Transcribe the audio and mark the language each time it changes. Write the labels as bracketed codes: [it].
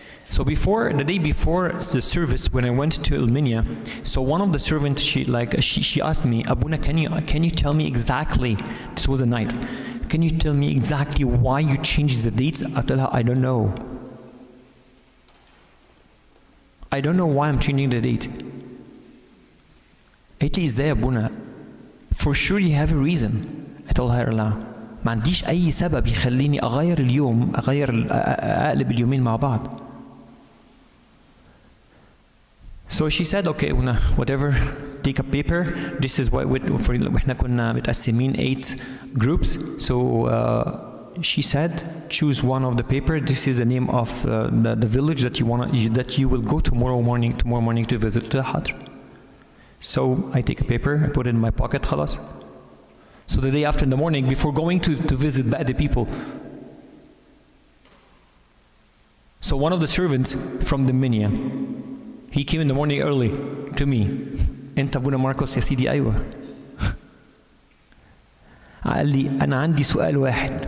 [en] So before the day before the service, when I went to Elminia, so one of the servants, she asked me, Abuna, can you tell me exactly, this was the night, can you tell me exactly why you changed the dates? I told her, I don't know. I don't know why I'm changing the date. It is there, Abuna. For sure you have a reason, I told her Allah. [ar] ما عنديش أي سبب يخليني أغير اليوم أغير أقلب اليومين مع بعض. [en] So she said, okay, whatever, take a paper. This is why we [ar] كنا متقسمين [en] 8 groups. So she said, choose one of the paper. This is the name of the village that you will go tomorrow morning to visit the Hadr. So I take a paper, I put it in my pocket. [ar] خلاص. [en] So the day after in the morning, before going to visit the people. So one of the servants from the Minya, he came in the morning early to me. [ar] أنت أبونا ماركوس يا سيدي أيوة. قال لي أنا عندي سؤال واحد.